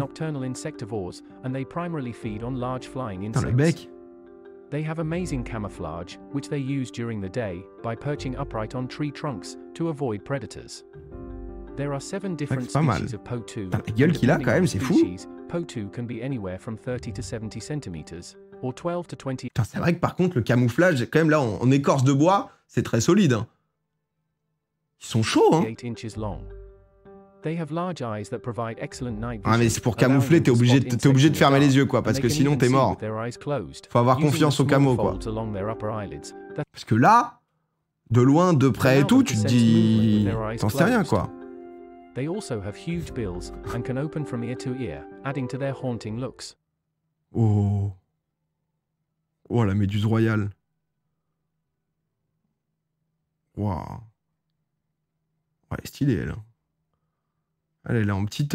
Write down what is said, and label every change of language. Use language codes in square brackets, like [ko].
[en] Are nocturnal insectivores and they primarily feed on large flying insects. [fr] Dans le bec. [en] They have amazing camouflage, which they use during the day by perching upright on tree trunks to avoid predators. There are seven different species of potu. [fr] La gueule qu'il a quand même, c'est fou. [en] Potu can be anywhere from 30 to 70 centimeters or 12 to 20. [fr] Putain, c'est vrai que par contre le camouflage quand même là en écorce de bois, c'est très solide. Ils sont chauds hein. [en] They have large eyes that provide excellent night [fr] vision. Ah mais c'est pour camoufler, t'es obligé de fermer les yeux quoi parce que sinon t'es mort. Faut avoir confiance au camo quoi. Parce que là de loin de près et tout, tu te dis t'en sais rien quoi. [en] They also have huge bills and can open from ear to ear, adding to their haunting looks. [fr] Oh. Oh, la méduse royale. Waouh. Ouais, stylée, elle. Elle est là en petite.